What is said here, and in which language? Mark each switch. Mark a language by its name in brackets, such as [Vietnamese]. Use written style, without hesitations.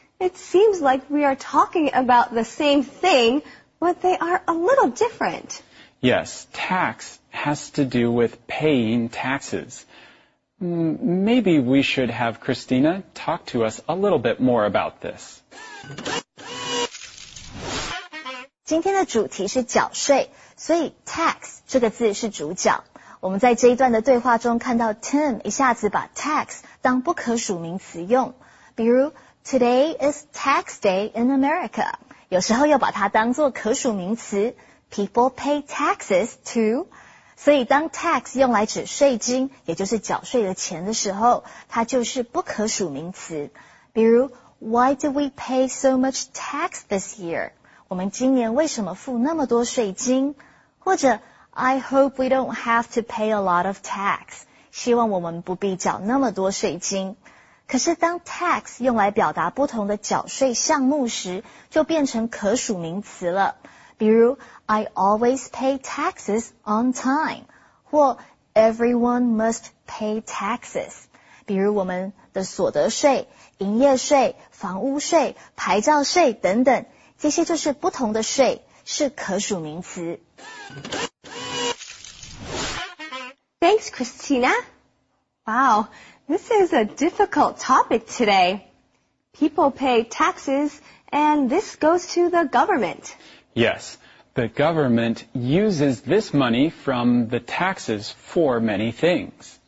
[English] It seems like we are talking about the same thing, but they are a little different. Yes, tax has to do with paying taxes. Maybe we should have Christina talk to us a little bit more about this. [Chinese] 今天的主题是缴税，所以 tax 这个字是主角。我们在这一段的对话中看到 Tim 一下子把 tax 当不可数名词用，比如 [English] Today is tax day in America， [Chinese] 有时候又把它当作可数名词 [English] People pay taxes too。 [Chinese] 所以当 tax 用来指税金，也就是缴税的钱的时候，它就是不可数名词。比如 [English] Why do we pay so much tax this year？ [Chinese] 我们今年为什么付那么多税金？或者 [English] I hope we don't have to pay a lot of tax， [Chinese] 希望我们不必缴那么多税金。可是当 tax 用来表达不同的缴税项目时，就变成可数名词了。比如 [English] I always pay taxes on time， [Chinese] 或 [English] everyone must pay taxes。 [Chinese] 比如我们的所得税、营业税、房屋税、牌照税等等。这些就是不同的税，是可数名词。 [English] Thanks, Christina. Wow, this is a difficult topic today. People pay taxes, and this goes to the government. Yes, the government uses this money from the taxes for many things.